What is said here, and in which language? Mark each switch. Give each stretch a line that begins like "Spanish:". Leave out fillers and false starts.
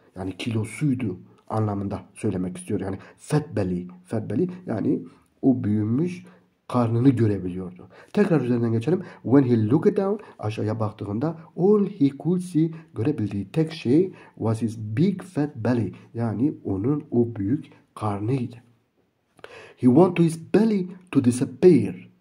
Turkish: Yani kilosuydu anlamında söylemek istiyor. Yani
English: fat belly
Turkish: yani o büyümüş karnını görebiliyordu. Tekrar üzerinden geçelim.
English: When he looked down,
Turkish: aşağıya baktığında
English: all he could see,
Turkish: görebildiği tek şey
English: was his big fat belly.
Turkish: Yani onun o büyük karnıydı.
English: He wanted his belly to disappear.